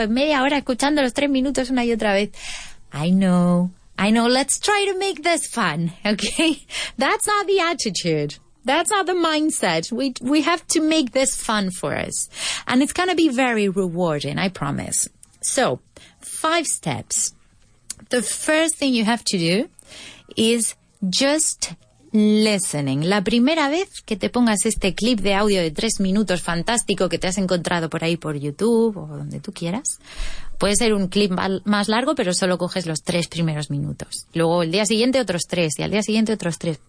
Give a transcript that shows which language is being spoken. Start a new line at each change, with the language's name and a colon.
Spanish: En media hora escuchando los 3 minutos una y otra vez.
English: I know, let's try to make this fun, okay? That's not the attitude. That's not the mindset. We have to make this fun for us. And it's going to be very rewarding, I promise. So, 5 steps. The first thing you have to do is just listening.
Spanish: La primera vez que te pongas este clip de audio de 3 minutos fantástico que te has encontrado por ahí por YouTube o donde tú quieras, puede ser un clip más largo, pero solo coges los 3 primeros minutos. Luego el día siguiente otros 3 y al día siguiente otros 3.